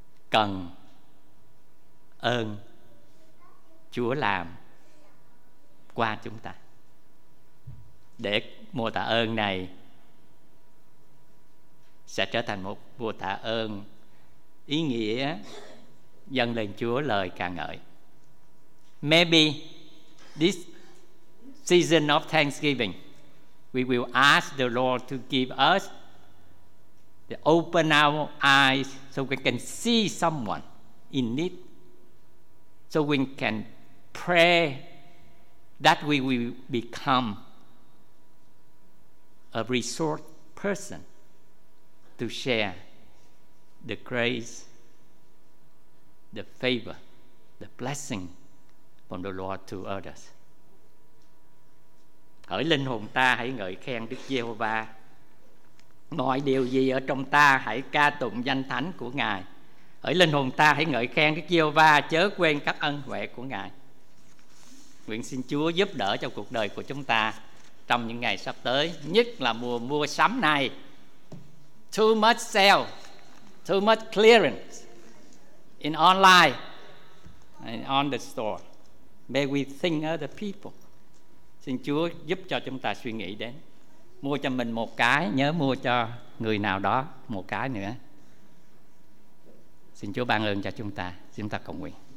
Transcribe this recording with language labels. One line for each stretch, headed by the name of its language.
Vietnamese: cần ơn Chúa làm qua chúng ta, để mùa tạ ơn này sẽ trở thành một mùa tạ ơn ý nghĩa, dâng lên Chúa lời ca ngợi.
English: Maybe this season of Thanksgiving, we will ask the Lord to give us to open our eyes so we can see someone in need, so we can pray that we will become a resource person to share the grace, the favor, the blessing from the Lord to others.
Vietnamese: Hỡi linh hồn ta hãy ngợi khen Đức Giê-hô-va. Mọi điều gì ở trong ta hãy ca tụng danh thánh của Ngài. Hỡi linh hồn ta hãy ngợi khen Đức Giê-hô-va, chớ quên các ân huệ của Ngài. Nguyện xin Chúa giúp đỡ cho cuộc đời của chúng ta trong những ngày sắp tới, nhất là mùa mua sắm này.
English: Too much sale, too much clearance in online and on the store. May we think of the people.
Vietnamese: Xin Chúa giúp cho chúng ta suy nghĩ đến mua cho mình một cái, nhớ mua cho người nào đó một cái nữa. Xin Chúa ban ơn cho chúng ta. Chúng ta cầu nguyện.